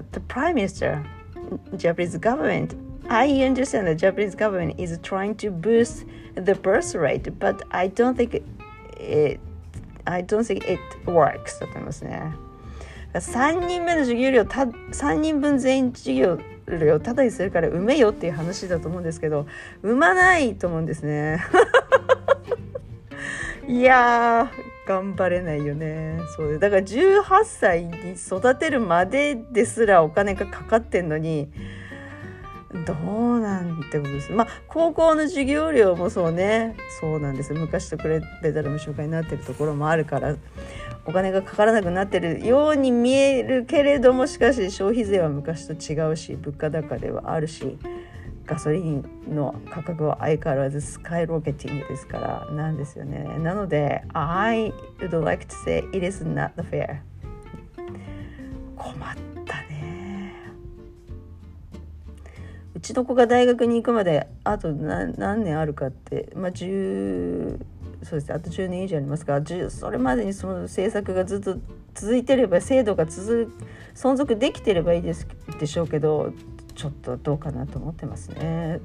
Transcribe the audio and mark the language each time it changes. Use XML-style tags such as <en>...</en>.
<en>The Prime Minister, Japanese government, I understand the Japanese government is trying to boost the birth rate, but I don't think it works.</en> <ja>3人目の授業料3人分全員授業料タダにするから埋めよっていう話だと思うんですけど、埋まないと思うんですねいやー頑張れないよね。そうで、だから18歳に育てるまでですらお金がかかってんのにどうなんてことです。まあ高校の授業料もそうね、そうなんです、昔と比べたら無償化になってるところもあるからお金がかからなくなってるように見えるけれども、しかし消費税は昔と違うし物価高ではあるし、ガソリンの価格は相変わらずスカイロケティングですからなんですよね。</ja> <en>なので I would like to say it is not fair。</en> <ja>困った、うちの子が大学に行くまであと 何年あるかって、まあ、そうですね、あと10年以上ありますから、それまでにその政策がずっと続いてれば、制度が存続できてればいいですでしょうけど、ちょっとどうかなと思ってますね。</ja>